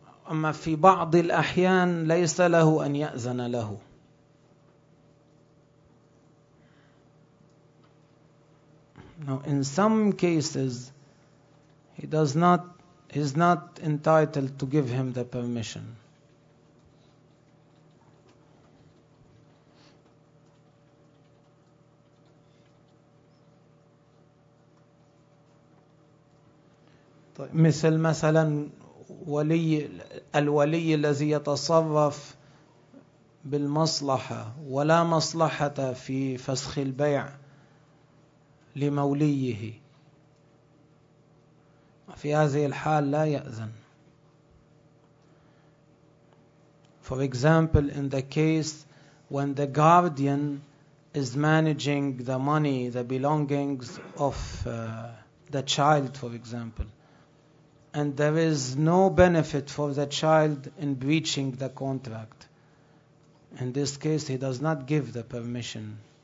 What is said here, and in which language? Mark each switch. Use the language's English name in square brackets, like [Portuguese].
[Arabic] أما في بعض الأحيان ليس له أن يأذن له. [English] Now, in some cases, he is not entitled to give him the permission. [Arabic] مثل مثلا ولي الولي الذي يتصرف بالمصلحة ولا مصلحة في فسخ البيع لموليه في هذه الحال لا يأذن. [English] For example, in the case when the guardian is managing the money, the belongings of the child, for example, and there is no benefit for the child in breaching the contract, in this case he does not give the permission